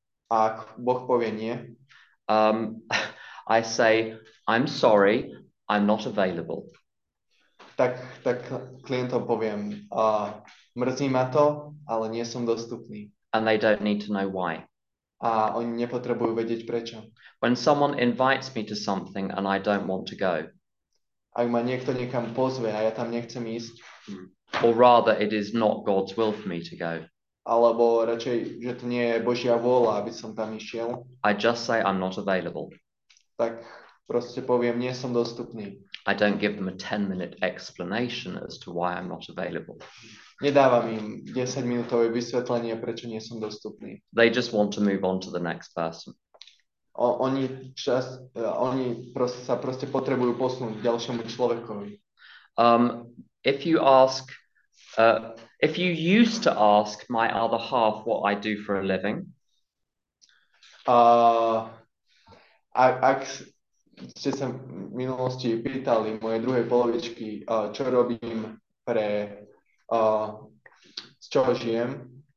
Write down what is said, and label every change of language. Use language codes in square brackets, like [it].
[sk] a ak Boh povie nie, [en] I say, I'm sorry, I'm not available. [sk] Tak klientom poviem, mrzí ma to, ale nie som dostupný. [en] And they don't need to know why. [sk] A oni nepotrebujú vedieť prečo. [en] When someone invites me to something and I don't want to go. [sk] Ak ma niekto niekam pozve a ja tam nechcem ísť. [en] Or rather, it is not God's will for me to go. [sk] Alebo radšej, že to nie je Božia vôľa, aby som tam išiel. [en] I just say I'm not available. [sk] Tak proste poviem, nie som dostupný. [en] I don't give them a 10-minute explanation as to why I'm not available. [sk] Nedávam im 10-minútové vysvetlenie, prečo nie som dostupný. [en] They just want to move on to the next person. [sk] Oni proste potrebujú posunúť ďalšiemu človekovi. [en] If you ask... If you used to ask my other half what I do for a living, [sk] ak ste sa v minulosti pýtali moje druhej polovičky, čo robím pre, z čoho žijem,